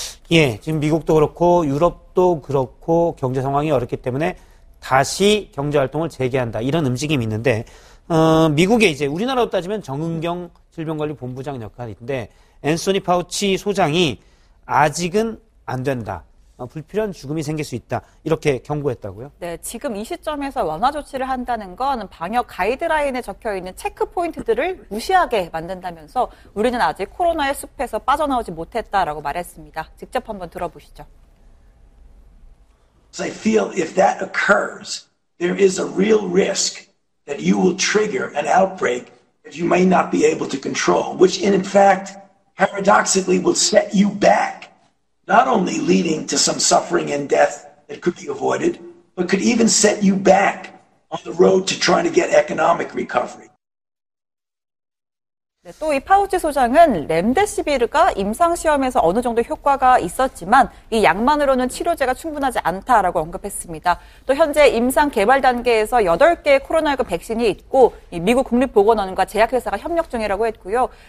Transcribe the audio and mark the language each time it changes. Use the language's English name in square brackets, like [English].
[Korean] 예, 지금 미국도 그렇고 유럽도 그렇고 경제 상황이 어렵기 때문에 다시 경제활동을 재개한다 이런 움직임이 있는데 미국에 이제 우리나라로 따지면 정은경 질병관리본부장 역할인데 앤소니 파우치 소장이 아직은 안 된다. 불필요한 죽음이 생길 수 있다. 이렇게 경고했다고요? 네, 지금 이 시점에서 완화 조치를 한다는 건 방역 가이드라인에 적혀있는 체크포인트들을 무시하게 만든다면서 우리는 아직 코로나의 숲에서 빠져나오지 못했다라고 말했습니다. 직접 한번 들어보시죠. [English] I feel if that occurs, there is a real risk that you will trigger an outbreak that you may not be able to control, which in fact, paradoxically, will set you back, not only leading to some suffering and death that could be avoided, but could even set you back on the road to trying to get economic recovery. [Korean] 네, 또 이 파우치 소장은 렘데시비르가 임상시험에서 어느 정도 효과가 있었지만 이 약만으로는 치료제가 충분하지 않다라고 언급했습니다. 또 현재 임상 개발 단계에서 8개의 코로나19 백신이 있고 이 미국 국립보건원과 제약회사가 협력 중이라고 했고요.